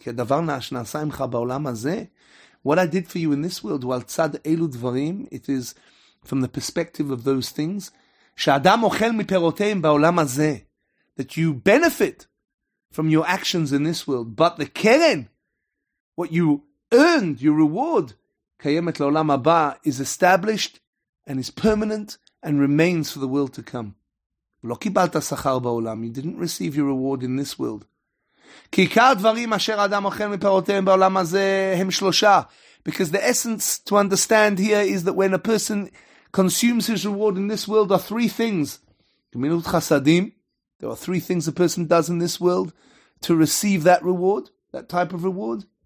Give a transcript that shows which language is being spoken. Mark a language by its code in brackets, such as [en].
[he] כי הדבר שנעשה עמך בעולם הזה, [en] what I did for you in this world, [he] הוא על צד אלו דברים, [en] it is from the perspective of those things, [he] שאדם אוכל מפירותיהם בעולם הזה, [en] that you benefit from your actions in this world, but the קרן, what you earned, your reward, [he] קיימת לעולם הבא, [en] is established and is permanent and remains for the world to come. [he] לא קיבלת שכר בעולם. [en] You didn't receive your reward in this world. [he] כי עיקר דברים אשר האדם אוכל מפירותיהם בעולם הזה הם שלושה. [en] Because the essence to understand here is that when a person consumes his reward in this world are three things. גמילות חסדים. There are three things a person does in this world to receive that reward, that type of reward.